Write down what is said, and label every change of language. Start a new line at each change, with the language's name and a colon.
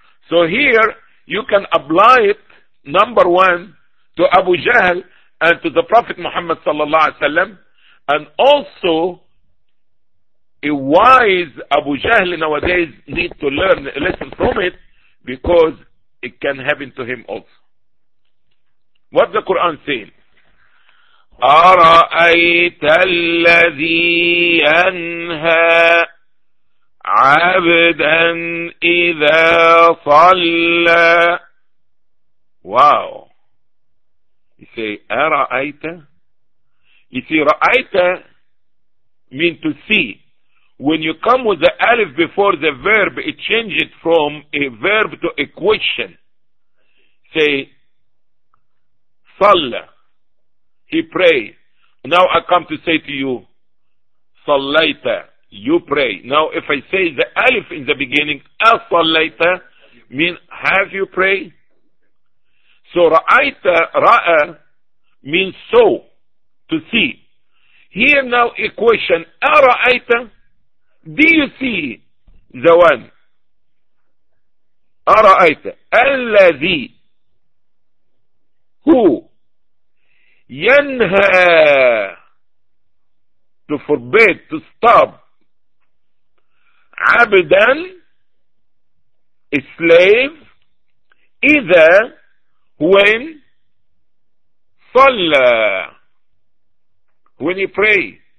English: So here, you can apply it, number one, to Abu Jahl and to the Prophet Muhammad sallallahu alaihi wasallam, and also a wise Abu Jahl nowadays need to learn a lesson from it, because it can happen to him also. What the Quran saying?
Arabic: أرأيت الذي ينهى عبدا إذا صلى.
English: Wow. You say, أرأيت. You see, رأيت mean to see. When you come with the alif before the verb, it changes it from a verb to a question. Say, صلى. He pray. Now I come to say to you, صليت. You pray. Now if I say the alif in the beginning, أصليت, mean have you pray? So رأيت, رأى, means so, to see. Here now a question, أرأيت, do you see the one? أرأيت, الذي, who? ينهى, to forbid, to stop, عبدا, a slave, إذا, when, صلى, when he pray.